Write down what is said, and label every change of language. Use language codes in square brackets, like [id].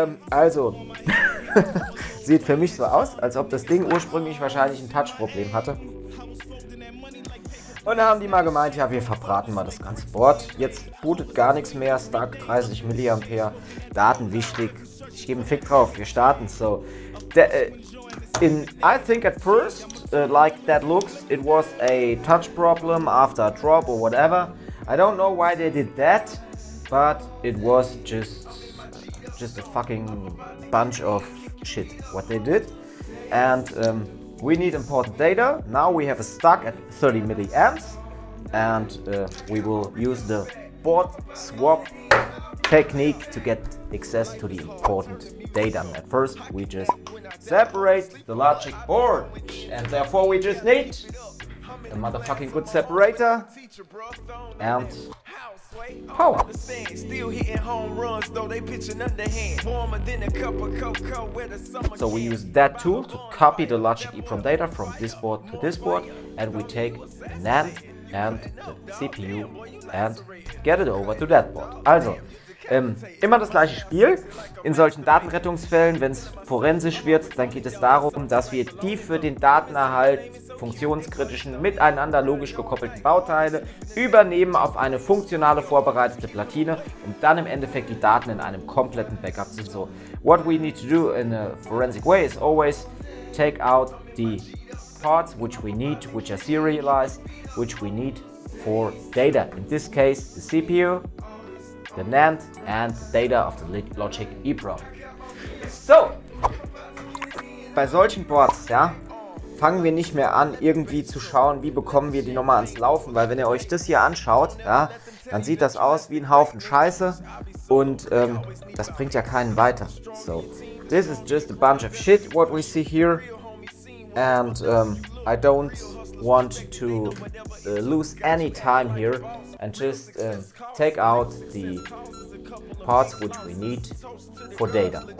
[de] Also sieht für mich so aus, als ob das Ding ursprünglich wahrscheinlich ein Touch-Problem hatte. Und da haben die mal gemeint, ja, wir verbraten mal das ganze Board. Jetzt bootet gar nichts mehr, stuck 30 mA, Daten wichtig. Ich gebe einen Fick drauf, wir starten. [en] So, I think at first, like that looks, it was a touch problem after a drop or whatever. I don't know why they did that, but it was just a fucking bunch of shit, what they did. And we need important data. Now we have a stuck at 30 milliamps and we will use the board swap technique to get access to the important data. At first, we just separate the logic board and therefore we just need a motherfucking good separator and power. Still hitting home runs though they pitching underhand. Warmer than a cup of cocoa where the summer. So we use that tool to copy the Logic-EEPROM data from this board to this board and we take NAND and the CPU and get it over to that board. [de] Also, immer das gleiche Spiel. In solchen Datenrettungsfällen, wenn es forensisch wird, dann geht es darum, dass wir die für den Datenerhalt funktionskritischen, miteinander logisch gekoppelten Bauteile übernehmen auf eine funktionale vorbereitete Platine, um dann im Endeffekt die Daten in einem kompletten Backup zu. [en] So, what we need to do in a forensic way is always take out the parts which we need, which are serialized, which we need for data. In this case, the CPU, the NAND and the data of the Logic-EEPROM. [de] So, bei solchen Boards, ja, fangen wir nicht mehr an, irgendwie zu schauen, wie bekommen wir die Nummer ans Laufen, weil wenn ihr euch das hier anschaut, ja, dann sieht das aus wie ein Haufen Scheiße und das bringt ja keinen weiter. [en] So, this is just a bunch of shit, what we see here, and I don't want to lose any time here and just take out the parts which we need for data.